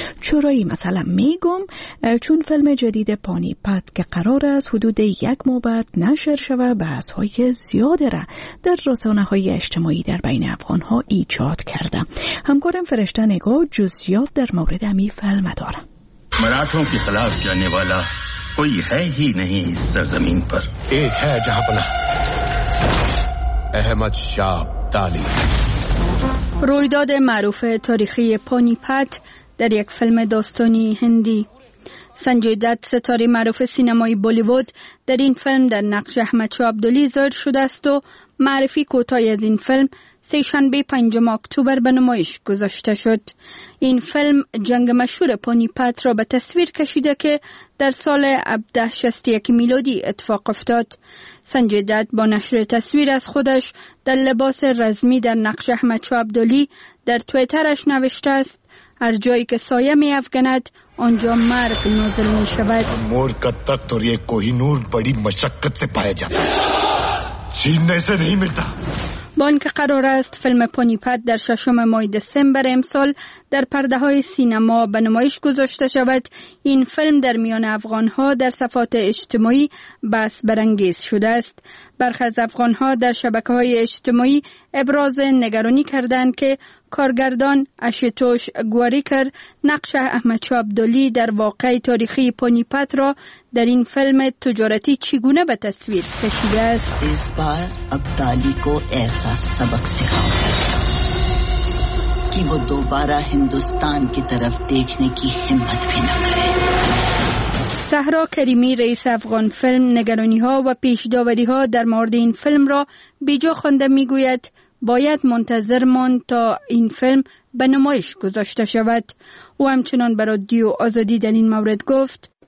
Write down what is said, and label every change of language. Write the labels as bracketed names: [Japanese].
[Persian] چرا این مثلا میگم؟ چون فیلم جدید پانی پت که قرار است حدود یک ماه بعد نشر شوه، بحث های زیاد را در رسانه های اجتماعی در بین افغان ها ایجاد کرده. همکارم فرشته نگاه جزئیات در مورد همین فیلم داره. [Urdu] مراٹھوں کے خلاف جانے والا کوئی ہے ہی نہیں اس سرزمین پر. ایک ہے جہاں پناہ، احمد شاہ ابدالی. [Persian] رویداد معروف تاریخی پانی پت در یک فیلم داستانی هندی. سنجوی دت، ستاره معروف سینمای بولیوود، در این فیلم در نقش احمد شاہ ابدالی ظاهر شده است و معرفی کوتاهی از این فیلم سه‌شنبه 5 اکتبر به نمایش گذاشته شد. این فیلم جنگ مشهور پانی پت را به تصویر کشیده که در سال 1761 میلادی اتفاق افتاد. سنجوی دت با نشر تصویر از خودش در لباس رزمی در نقش احمد شاہ ابدالی در تویترش نوشته است: هر جایی که سایه می افگند آنجا مرگ نازل می شود. [Urdu] مرگ کا تخت اور یہ کوہ نور بڑی مشقت سے پایا جاتا ہے، چھیننے سے نہیں ملتا. [Persian] با اینکه قرار است فیلم پانی پت در 6 ماه دسامبر امسال در پرده های سینما به نمایش گذاشته شود، این فیلم در میان افغان ها در صفحات اجتماعی بحث برانگیز شده است. برخی از افغان ها در شبکه های اجتماعی ابراز نگرانی کردند که کارگردان آشوتوش گواریکر نقش احمد شاہ ابدالی در واقعه تاریخی پانی پت را در این فیلم تجارتی چگونه به تصویر کشیده است. [Urdu] اس بار ابدالی کو ایسا سبق سکھاؤ کہ وہ دوبارہ ہندوستان کی طرف دیکھنے کی ہمت بھی نہ کرے. [Persian] سهرا کریمی، رئیس افغان فیلم، نگرانی ها و پیش داوری ها در مورد این فیلم را بیجا خوانده می گوید: باید منتظر ماند تا این فیلم به نمایش گذاشته شود. و همچنان بر رادیو آزادی در این مورد گفت: